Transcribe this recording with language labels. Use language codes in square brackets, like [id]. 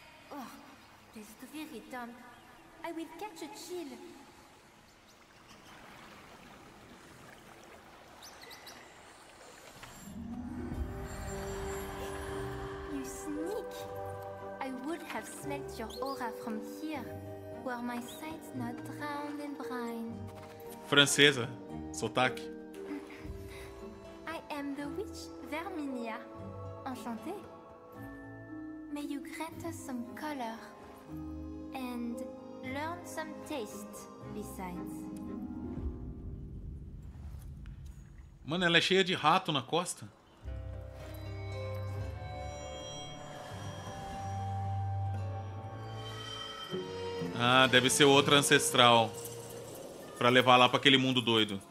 [pt] Oh, vocês estão muito irritados. Eu vou pegar um chill. Você [en] sneak! [pt] Eu poderia ter [en] smelled [pt] sua aura daqui. [en] Were my sights not drowned in brine? [pt] Francesa, sotaque. [en] I am the witch Verminia. [fr] Enchantée. [en] May you grant us some color and learn some taste besides. [pt] Mano, ela é cheia de rato na costa. Ah, deve ser outra ancestral. Pra levar lá pra aquele mundo doido.